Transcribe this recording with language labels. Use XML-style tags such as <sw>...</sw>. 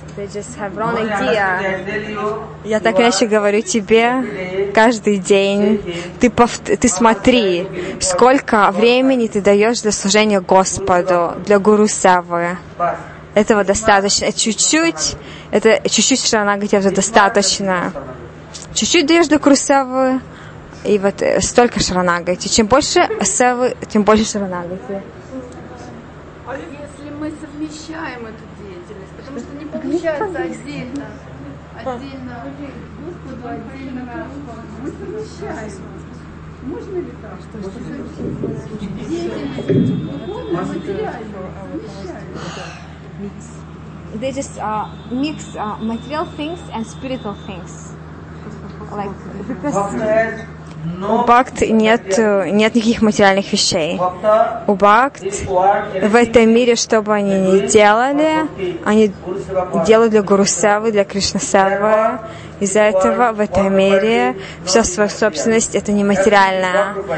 <en>They just have wrong idea.</en> <ru>Я так иначе говорю тебе, каждый день ты смотри, сколько времени ты даешь для служения Господу, для Гуру Севы. Этого достаточно. Это чуть-чуть шаранагати, это достаточно. Чуть-чуть даешь до Курсавы, и вот столько шаранагати. Чем больше Севы, тем больше шаранагати. А если мы совмещаем эту деятельность, потому что не получается отдельно Господу, отдельно мы совмещаем. Можно ли так, что деятельность духовная, материальная совмещаем? Микс.</ru> <en>They just mix material things and spiritual things. Like, because</en> <ru>Бхакт нет никаких материальных вещей. У Бхакт в этом мире, что бы они ни делали, они делают для Гуру-севы, для Кришна-севы. Из-за этого в этом мире вся своя собственность — это не материальная.</ru>